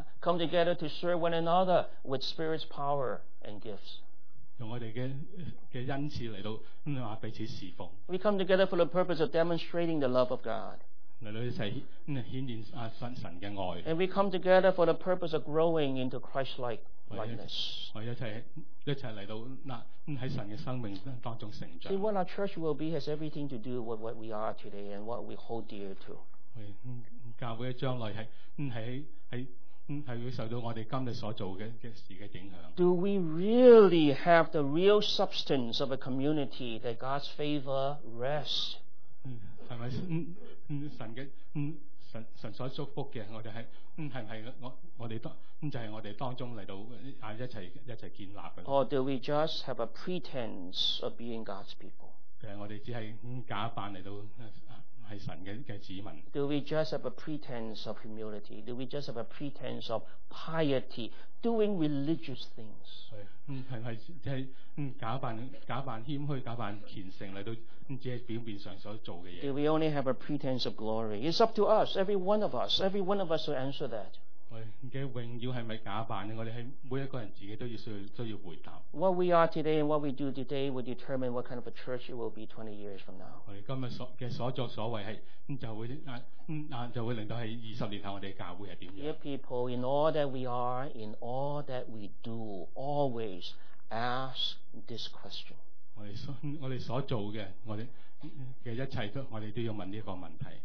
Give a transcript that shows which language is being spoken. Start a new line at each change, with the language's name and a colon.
English: Come together to serve one another with spirit's power and gifts.
Chinese: 用我们 的恩赐来到彼此侍奉。
English: We come together for the purpose of demonstrating the love of God.
Chinese: 来到一起显现神的爱。
English: And we come together for the purpose of growing into Christ-like likeness.
Chinese: 我一起来到在神的生命当中成长。
English: See, what our church will be has everything to do with what we are today and what we hold dear to.
Chinese: 教会的将来是会受到我们今天所做的事的影响。
English: Do we really have the real substance of a community that God's favor rests?
Chinese: 是不是神所祝福的，我们是不是我们就是我们当中来到一起建立的？
English: Or do we just have a pretense of being God's people?
Chinese: 就是我们只是假扮来到是神的子民。
English: Do we just have a pretense of humility? Do we just have a pretense of piety? Doing religious things?
Chinese: 假扮謙虛，假扮虔誠，來到只是表面上所做的事。
English: Do we only have a pretense of glory? It's up to us, every one of us to answer that.
Chinese: 榮耀是不是假扮呢？我們是每一個人自己都要回答。
English: What we are today and what we do today will determine what kind of a church it will be 20 years from now.
Chinese: 我們今天的所作所為就會令到20年後我們的教會是怎樣。
English: Dear people, in all that we are, in all that we do, always ask this question.
Chinese: 我們所做的，我們的一切都，我們都要問這個問題。